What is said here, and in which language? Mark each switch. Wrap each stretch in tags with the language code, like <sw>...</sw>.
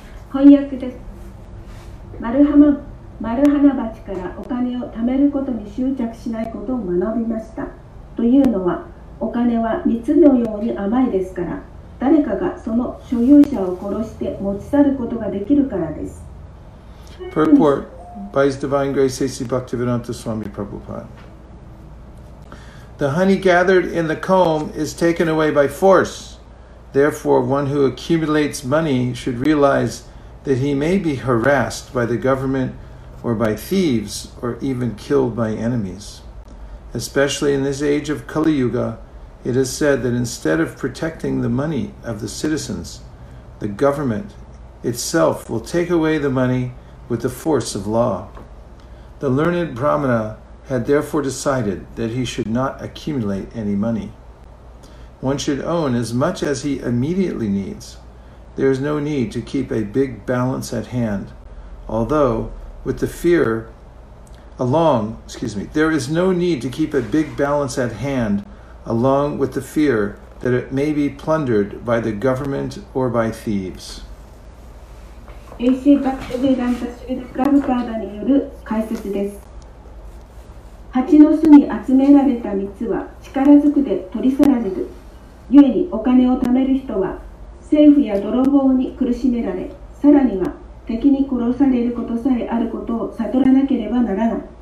<ja>翻訳ですマルハナバチからお金を貯めることに執着しないことを学びましたというのはお金は蜜のように甘いですから誰かがその所有者を殺して持ち去ることができるからです</ja> <en>Purport by His Divine Grace Sisi Bhaktivedanta Swami Prabhupada The honey gathered in the comb is taken away by force therefore one who accumulates money should realize that he may be harassed by the government or by thieves or even killed by enemies especially in this age of Kali Yuga it is said that instead of protecting the money of the citizens the government itself will take away the moneywith the force of law. The learned Brahmana had therefore decided that he should not accumulate any money. One should own as much as he immediately needs. There is no need to keep a big balance at hand, although with the fear along, excuse me, there is no need to keep a big balance at hand along with the fear that it may be plundered by the government or by thieves.</en> <ja>AC バクテベランタシュールプラブパーダによる解説です。蜂の巣に集められた蜜は力ずくで取り去られる。故にお金を貯める人は政府や泥棒に苦しめられ、さらには敵に殺されることさえあることを悟らなければならない。</ja>